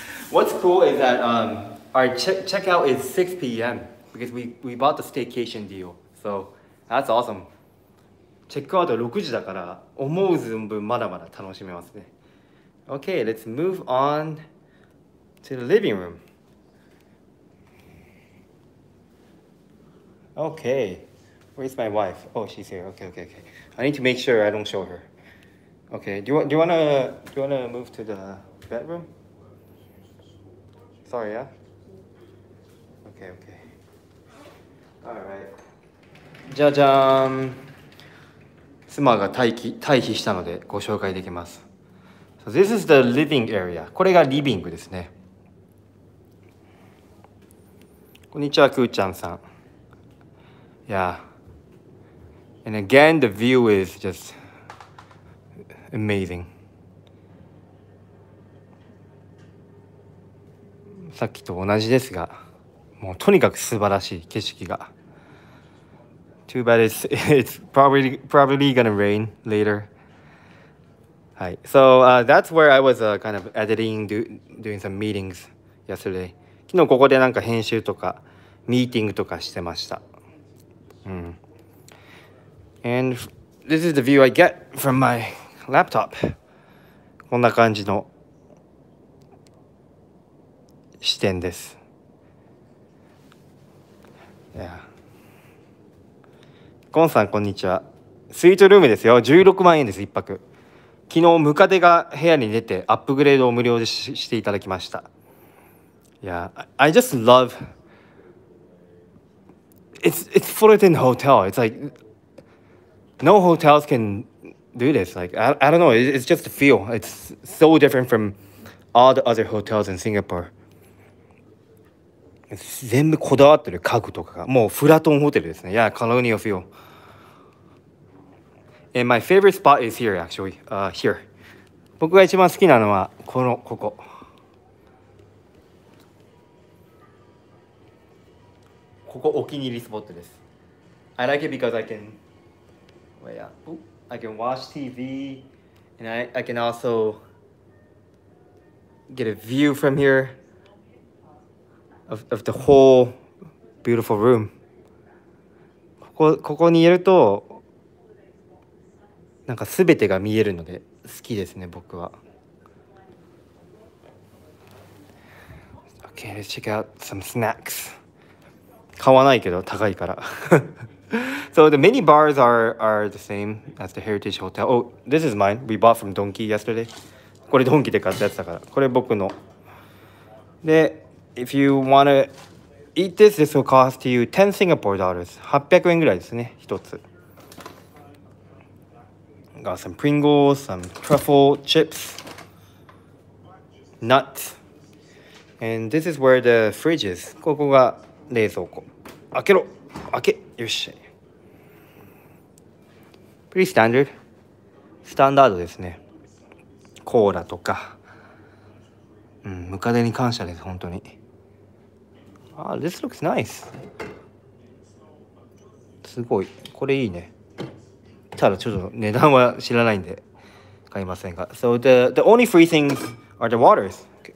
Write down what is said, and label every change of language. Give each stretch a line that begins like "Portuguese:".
English: What's cool is that our checkout is 6 p.m. because we bought the staycation deal. So that's awesome.
Japanese: チェックアウト6時だから思う存分まだまだ楽しめますね。
English: Okay, let's move on to the living room. Okay, where's my wife? Oh, she's here. Okay, okay, okay. I need to make sure I don't show her. Okay, do you wanna move to the bedroom? Sorry, yeah? Okay, okay. Alright.
Japanese: じゃじゃーん。妻が退避したのでご紹介できます。
English: So this is the living area.
Japanese: これがリビングですね。こんにちは、くーちゃんさん。
English: Yeah. And again, the view is just...Amazing.
Japanese: さっきと同じですが、もうとにかく素晴らしい景色が。
English: Too bad it's probably gonna rain later. はい、So that's where I was kind of editing, doing some meetings yesterday.
Japanese: 昨日ここでなんか編集とかミーティングとかしてました。うん。
English: And this is the view I get from my laptop.
Japanese: こんな感じの視点です。
English: Yeah.
Japanese: コンさん、こんにちは。スイートルームですよ。16万円です、一泊。昨日、ムカデが部屋に出てアップグレードを無料で していただきました。
English: Yeah. I just love... It's Fullerton Hotel. It's like... No hotels can do this. Like, I don't know. It's just a feel. It's so different from all the other hotels in Singapore.
Japanese: It's 全部こだわってる家具とかが。もうフラトンホテルですね。
English: Yeah, colonial feel. And my favorite spot is here, actually. Here.
Japanese: 僕が一番好きなのはこのここ。ここお気に入りスポットです。
English: I like it because I can... Well, yeah. Ooh, I can watch TV and I can also get a view from here of the whole beautiful room.
Japanese: ここにいるとなんか全てが見えるので好きですね、僕は。
English: Okay, let's check out some snacks.
Japanese: 買わないけど高いから
English: So the mini bars are the same as the Heritage Hotel. Oh, this is mine. We bought from Donki yesterday.
Japanese: これドンキで買ったやつだから。これ僕の。
English: で、if you want to eat this, this will cost you 10 Singapore dollars.
Japanese: 800円ぐらいですね、一つ。
English: Got some Pringles, some truffle chips, nuts. And this is where the fridge is.
Japanese: ここが冷蔵庫。開けろ。開け。よし。
English: Pretty standard.
Japanese: スタンダードですね。コーラとか。うん、ムカデに感謝です、本当に。
English: あ、this looks nice.
Japanese: すごい。これいいね。ただちょっと値段は知らないんで、買いませんが。
English: So the only free things are the waters.